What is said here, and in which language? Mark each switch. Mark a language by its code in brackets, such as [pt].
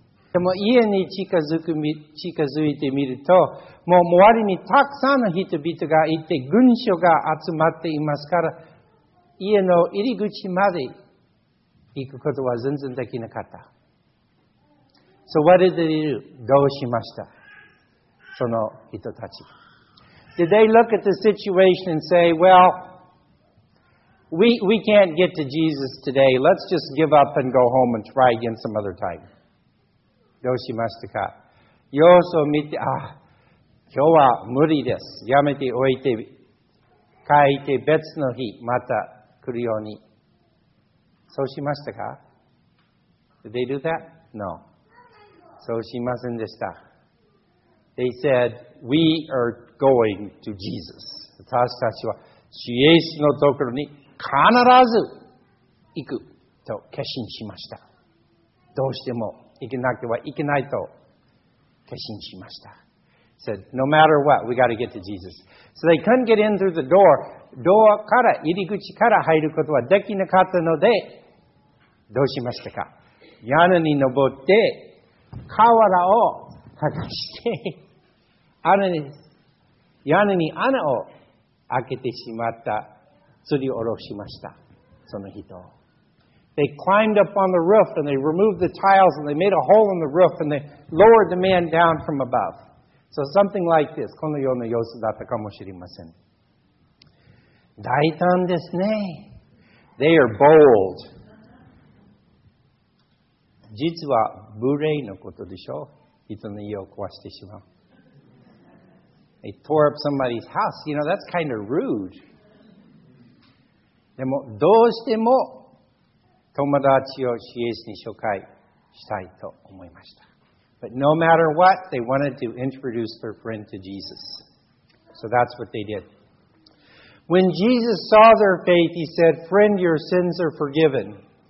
[ja] でも家に近づいてみると、もう周りにたくさんの人々がいて、群衆が集まっていますから、家の入り口まで行くことは全然できなかった。 [en] So what did they do? [ja] どうしました?その人たち。 [en] Did they look at the situation and say, well, we can't get to Jesus today. Let's just give up and go home and try again some other time. [ja] どうしましたか? 様子を見て、ああ、今日は無理です。やめておいて、帰って別の日、また来るように。そうしましたか? [en] Did they do that? No. [ja] そうしませんでした。 [en] They said, we are going to Jesus. [ja] 私たちは、イエスのところに必ず行くと決心しました。どうしても行けなくてはいけないと決心しました。 [en] Said, no matter what, we got to get to Jesus. So they couldn't get in through the door. [ja] ドアから、入り口から入ることはできなかったので、どうしましたか? 屋根に登って、瓦を剥がして屋根に穴を開けてしまった吊り下ろしましたその人 [en] They climbed up on the roof and they removed the tiles and they made a hole in the roof and they lowered the man down from above So something like this [ja] このような様子だったかもしれません大胆ですね [en] They are bold [ja] 実は無礼のことでしょ人の家を壊してしまう。 [en] They tore up somebody's house. You know, that's kind of rude. [ja] でも、どうしても友達をイエスに紹介したいと思いました。 [en] But no matter what, they wanted to introduce their friend to Jesus. So that's what they did. When Jesus saw their faith, he said, Friend, your sins are forgiven.